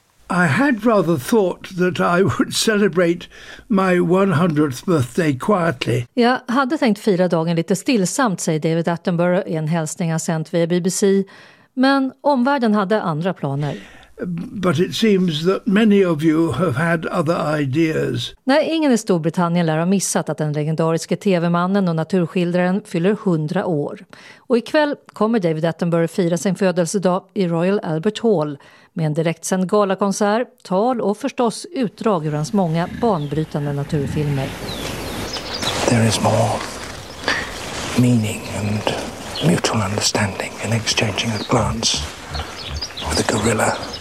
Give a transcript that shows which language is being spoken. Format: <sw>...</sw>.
<en>I had rather thought that I would celebrate my 100th birthday quietly.</en> <sv>Jag hade tänkt fira dagen lite stillsamt, säger David Attenborough i en hälsning han sänt via BBC, men omvärlden hade andra planer.</sv> <en>But it seems that many of you have had other ideas.</en> <sv>Nej, ingen i Storbritannien lär ha missat att den legendariske tv-mannen och naturskildraren fyller 100 år. Och ikväll kommer David Attenborough fira sin födelsedag i Royal Albert Hall med en direktsänd galakonsert, tal och förstås utdrag ur hans många banbrytande naturfilmer.</sv> <en>There is more meaning and mutual understanding in exchanging a glance with a gorilla.</en>